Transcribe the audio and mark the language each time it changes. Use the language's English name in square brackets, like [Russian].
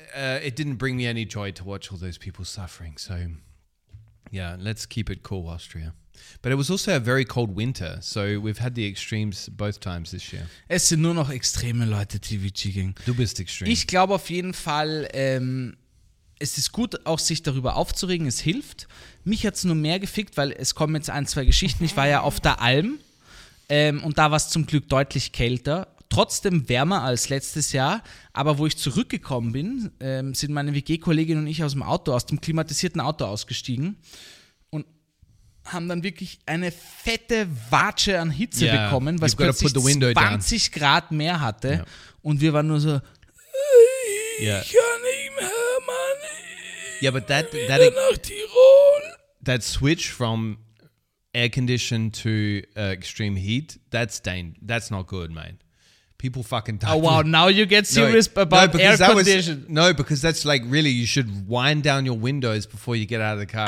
[English] It didn't bring me any joy to watch all those people suffering. So, yeah, let's keep it cool, Austria. But it was also a very cold winter, so we've had the extremes both times this year. [German] Es sind nur noch extreme Leute, TVG ging. Du bist extrem. Ich glaube auf jeden Fall, es ist gut, auch sich darüber aufzuregen, es hilft. Mich hat es nur mehr gefickt, weil es kommen jetzt ein, zwei Geschichten. Ich war ja auf der Alm und da war es zum Glück deutlich kälter. Trotzdem wärmer als letztes Jahr, aber wo ich zurückgekommen bin, sind meine WG-Kollegin und ich aus dem klimatisierten Auto ausgestiegen. Haben dann wirklich eine fette Watsche an Hitze bekommen, was plötzlich 20 [English] down. [German] Grad mehr hatte. [English] Yeah. [German] Und wir waren nur so, ich kann nicht mehr, Mann. [English] Yeah, but that, [German] wieder [English] that, [German] nach Tirol. [English] That switch from air condition to extreme heat, that's not good, mate. People fucking talk. Oh, wow, now you get serious about air condition. No, because that's like, really, you should wind down your windows before you get out of the car.